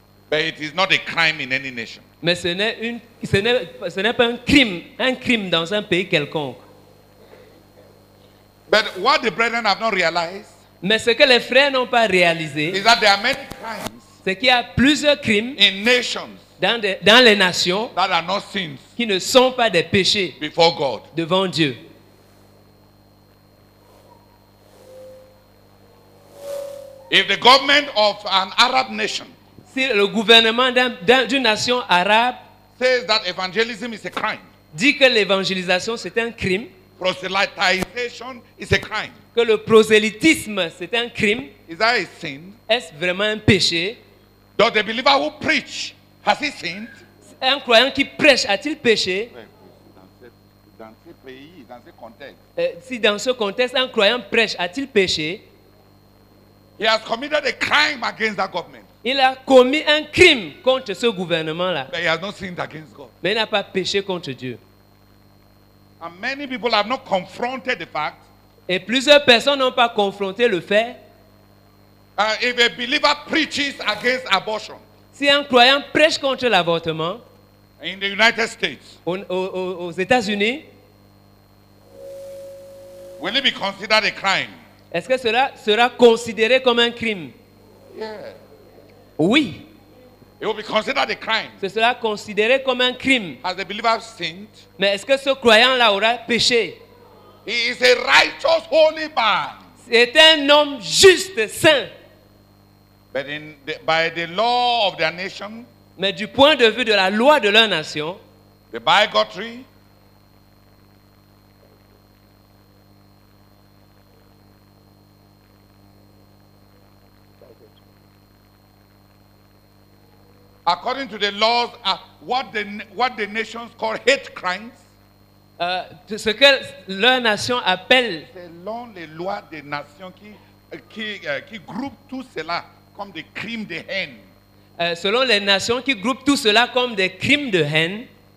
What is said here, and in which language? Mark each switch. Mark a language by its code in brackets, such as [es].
[en] But it is not a crime in any nation. [fr] Mais ce n'est pas un crime dans un pays quelconque. [en] But what the brethren have not realized, [fr] mais ce que les frères n'ont pas réalisé, [en] is that there are many crimes, [fr] c'est qu'il y a plusieurs crimes [en] in nations, [fr] dans les nations, [en] that are not sins, [fr] qui ne sont pas des péchés [en] before God, [fr] devant Dieu. [en] If the government of an Arab nation, [fr] si le gouvernement d'une nation arabe, [en] says that evangelism is a crime, [fr] dit que l'évangélisation c'est un crime, [en] proselytization is a crime, [fr] que le prosélytisme c'est un crime, [en] is that a sin? [fr] Est-ce vraiment un péché? [en] Does the believer who preach, has he sinned? [fr] Un croyant qui prêche a-t-il péché? Dans ce pays, dans ce contexte. Si dans ce contexte un croyant prêche a-t-il péché? [en] He has committed a crime against that government. [fr] Il a commis un crime contre ce gouvernement-là. [en] But he has not sinned against God. [fr] Mais il n'a pas péché contre Dieu. [en] And many people have not confronted the fact. [fr] Et plusieurs personnes n'ont pas confronté le fait. [en] If a believer preaches against abortion, [fr] si un croyant prêche contre l'avortement, [en] in the United States, [fr] aux États-Unis, [en] will it be considered a crime? [fr] Est-ce que cela sera considéré comme un crime? [en] Yeah. [fr] Oui. [en] It will be considered a crime. [fr] Ce sera considéré comme un crime. [en] Has the believer sinned? [fr] Mais est-ce que ce croyant-là aura péché? [en] He is a righteous, holy man. [fr] C'est un homme juste, saint. [en] But in the, by the law of their nation, [fr] mais du point de vue de la loi de leur nation, [en] the bigotry, according to the laws, what the nations call hate crimes, [fr] ce que leur nation appelle, selon les lois des nations qui groupent tout cela comme des crimes de haine. Selon les nations qui groupent tout cela comme des crimes de haine,